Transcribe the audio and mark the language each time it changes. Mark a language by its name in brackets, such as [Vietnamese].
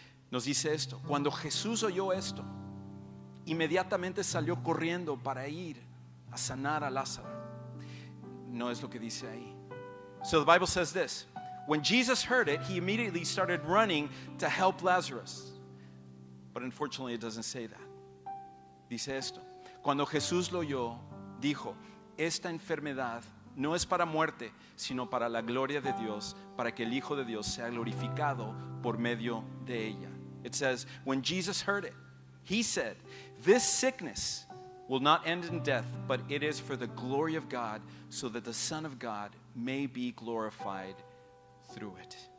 [Spanish] Nos dice esto, cuando Jesús oyó esto, inmediatamente salió corriendo para ir a sanar a Lázaro. No es lo que dice ahí. [English] So the Bible says this, when Jesus heard it, he immediately started running to help Lazarus. But unfortunately it doesn't say that. [Spanish] Dice esto, cuando Jesús lo oyó, dijo, esta enfermedad no es para muerte, sino para la gloria de Dios, para que el Hijo de Dios sea glorificado por medio de ella. [English] It says, when Jesus heard it, he said, this sickness will not end in death, but it is for the glory of God, so that the Son of God may be glorified through it.